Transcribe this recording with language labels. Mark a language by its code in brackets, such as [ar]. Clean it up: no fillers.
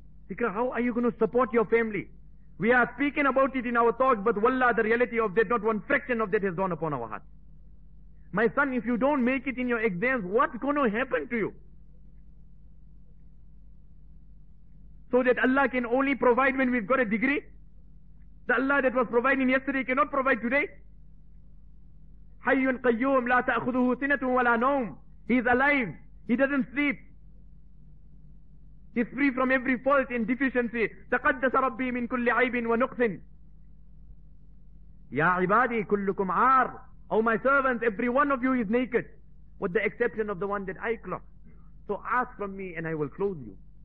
[en] Dikra, how are you going to support your family? We are speaking about it in our talk, but wallah, the reality of that, not one fraction of that has dawned upon our hearts. My son, if you don't make it in your exams, what's going to happen to you? So that Allah can only provide when we've got a degree? The Allah that was providing yesterday cannot provide today? [ar] حي قيوم لا تأخذه سنة ولا نوم. [en] He's alive. He doesn't sleep. He's free from every fault and deficiency. [ar] تقدس ربي من كل عيب ونقص. يا عبادي كلكم عار. [en] Oh my servants, every one of you is naked, with the exception of the one that I clothe. So ask from me and I will clothe you.